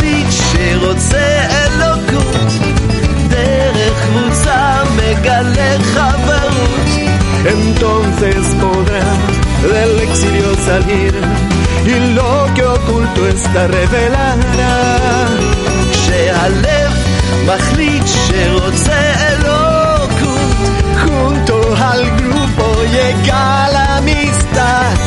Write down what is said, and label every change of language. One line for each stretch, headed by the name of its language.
Hebrew: שרוצה אלוקות דרך קבוצה מגלה חברות
Spanish: entonces podrá del exilio salir y lo que oculto está revelará
Hebrew: שהלב מחליט שרוצה אלוקות
Spanish: junto al grupo llega la amistad